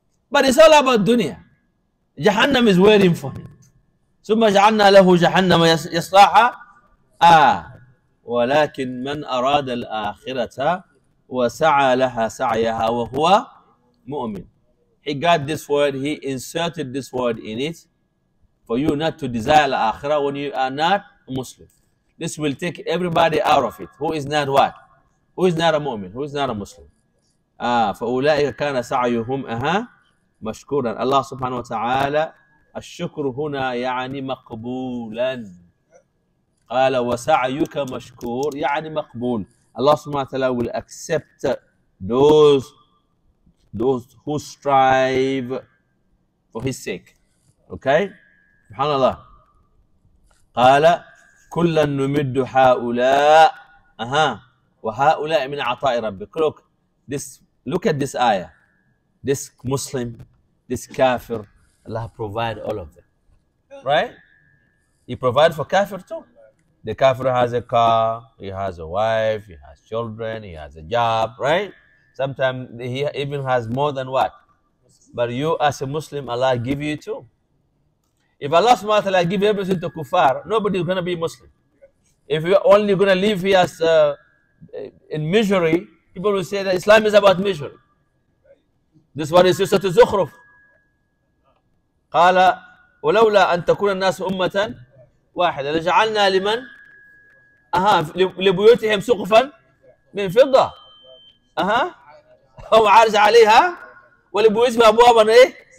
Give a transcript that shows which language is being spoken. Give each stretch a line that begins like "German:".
English: But it's all about dunya. Jahannam is waiting for him.
Arabic: ثم جعلنا له جهنم يصلاها. ولكن من أراد الآخرة وسعى لها سعيها وهو مؤمن.
English: He got this word, he inserted this word in it for you not to desire الآخرة when you are not Muslim. This will take everybody out of it. Who is not what? Who is not a mu'min? Who is not a Muslim?
Arabic: فَأُولَٰئِكَ كَانَ سَعْيُهُمْ مَشْكُورًا. Allah subhanahu wa ta'ala, الشكر هنا يعني مقبولا. قال وسعيك مشكور يعني مقبول.
English: الله سبحانه وتعالى will accept those who strive for his sake.
Arabic: Okay, سبحان الله. قال كلا نمد هؤلاء أها وهؤلاء من عطاء ربك.
English: Look this, look at this ayah. This Muslim, this kafir, Allah provide all of them, right? He provide for kafir too. The kafir has a car, he has a wife, he has children, he has a job, right? Sometimes he even has more than what. But you as a Muslim, Allah give you too. If Allah subhanahu wa ta'ala give everything to kuffar, nobody is going to be Muslim. If you're only going to live here as, in misery, people will say that Islam is about misery. This is what is used to Zukhruf.
Arabic: قال ولولا أن تكون الناس أمة واحدة لجعلنا لمن أها لبيوتهم سقفا من فضة أها هو عارض عليها ولبيوتهم أبوابا إيه